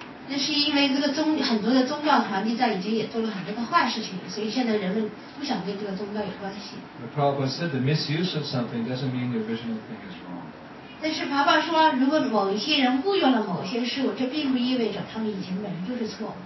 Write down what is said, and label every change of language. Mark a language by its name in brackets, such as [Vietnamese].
[Chinese] 那是因为这个很多的宗教团体在以前也做了很多的坏事情，所以现在人们不想跟这个宗教有关系。 [English] The Prabhupada said the misuse of something doesn't mean the original thing is wrong. [Chinese] 但是爸爸说，如果某一些人误用了某些事物，这并不意味着他们以前本身就是错。